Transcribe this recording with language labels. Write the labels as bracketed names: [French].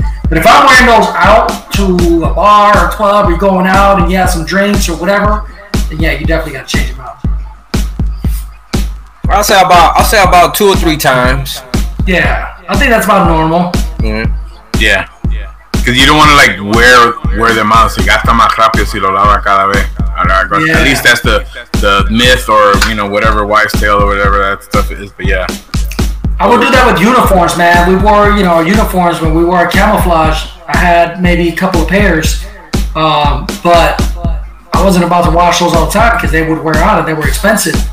[English] But if I'm wearing those out to a bar or a club, or you're going out and you have some drinks or whatever, then yeah, you definitely got to change them out. Well, I'll say about two or three times. Yeah. I think that's about normal. Mm-hmm. Yeah. Because you don't want to, like, wear them out. [Spanish] Se gasta más rápido si lo lava cada vez. [English] At least that's the myth or, you know, whatever, wives tale or whatever that stuff is. But, yeah. I would do that with uniforms, man. We wore, you know, uniforms when we wore camouflage. I had maybe a couple of pairs. But I wasn't about to wash those all the time because they would wear out and they were expensive.